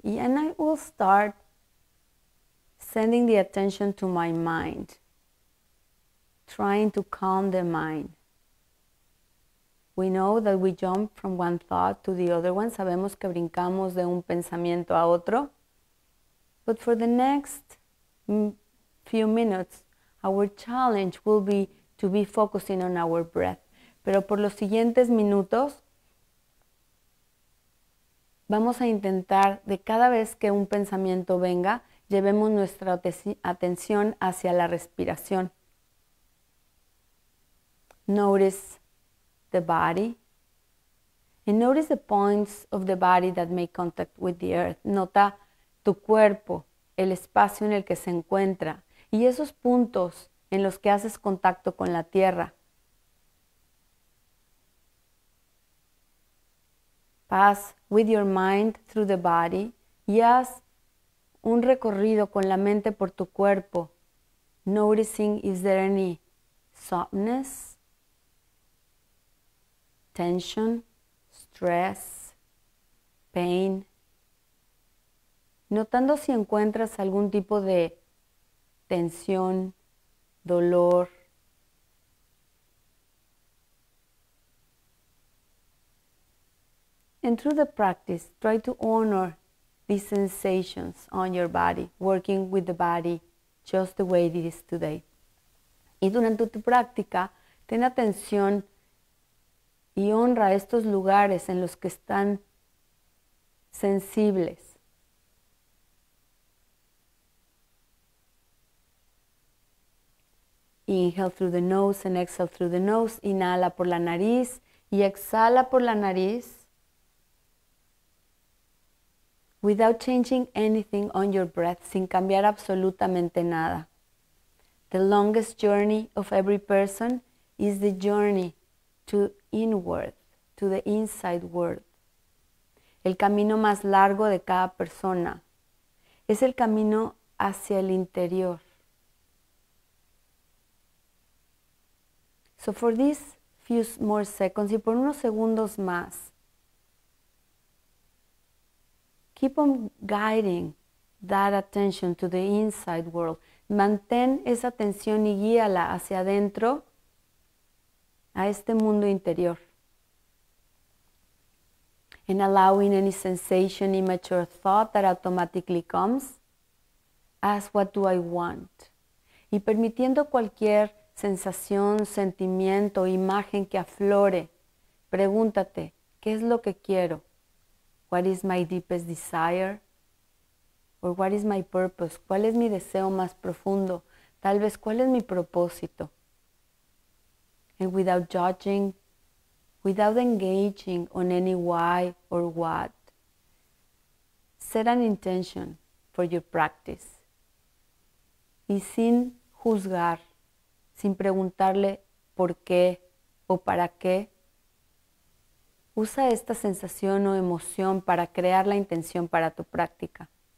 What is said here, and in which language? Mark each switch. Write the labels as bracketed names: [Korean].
[English] And I will start sending the attention to my mind. Trying to calm the mind. We know that we jump from one thought to the other one. [Spanish] Sabemos que brincamos de un pensamiento a otro. [English] But for the next few minutes, our challenge will be to be focusing on our breath. [Spanish] Pero por los siguientes minutos, vamos a intentar de cada vez que un pensamiento venga, llevemos nuestra atención hacia la respiración. [English] Notice the body. And notice the points of the body that make contact with the earth. [Spanish] Nota tu cuerpo, el espacio en el que se encuentra. Y esos puntos en los que haces contacto con la tierra. [English] Pass with your mind through the body [Spanish] y haz un recorrido con la mente por tu cuerpo, [English] noticing if there any softness, tension, stress, pain. [Spanish] Notando si encuentras algún tipo de tensión, dolor. [English] And through the practice, try to honor these sensations on your body, working with the body just the way it is today. [Spanish] Y durante tu práctica, ten atención y honra estos lugares en los que están sensibles. Y [English] Inhale through the nose and exhale through the nose. [Spanish] Inhala por la nariz y exhala por la nariz. [English] Without changing anything on your breath, [Spanish] sin cambiar absolutamente nada. [English] The longest journey of every person is the journey to inward, to the inside world. [Spanish] El camino más largo de cada persona es el camino hacia el interior. [English] So for these few more seconds, [Spanish] y por unos segundos más, [English] keep on guiding that attention to the inside world. [Spanish] Mantén esa atención y guíala hacia adentro, a este mundo interior. [English] And allowing any sensation, immature thought that automatically comes, ask what do I want? [Spanish] Y permitiendo cualquier sensación, sentimiento, imagen que aflore, pregúntate, ¿qué es lo que quiero? [English] What is my deepest desire? Or what is my purpose? [Spanish] ¿Cuál es mi deseo más profundo? Tal vez, ¿cuál es mi propósito? [English] And without judging, without engaging on any why or what, set an intention for your practice. [Spanish] Y sin juzgar, sin preguntarle por qué o para qué, usa esta sensación o emoción para crear la intención para tu práctica.